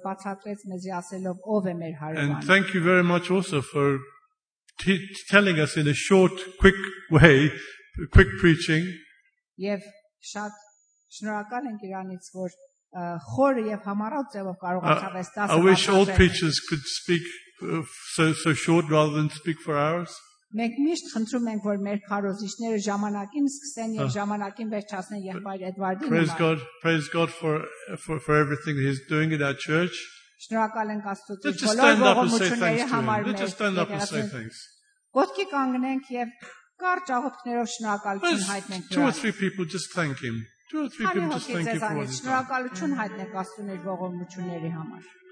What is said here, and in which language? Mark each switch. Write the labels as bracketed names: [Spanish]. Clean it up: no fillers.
[English] And thank you very much also for telling us in a short, quick way, quick preaching. I wish all preachers could speak so short rather than speak for hours. [Armenian] Մենք միշտ խնդրում ենք, որ մեր քարոզիչները ժամանակին սկսեն եւ ժամանակին վերջացնեն եղբայր Էդվարդին։ [English] Praise God for everything he's doing in our church. [Armenian] Շնորհակալ ենք Աստծո ողորմությունների համար։ [English] Just stand up and say thanks. [Armenian] Ոտքի կանգնենք եւ կարճ աղոթքներով շնորհակալություն հայտնենք։ [English] Two or three people just thank him. Two or three people just thank him for [Armenian] Շնորհակալություն հայտնենք Աստծո ողորմությունների համար։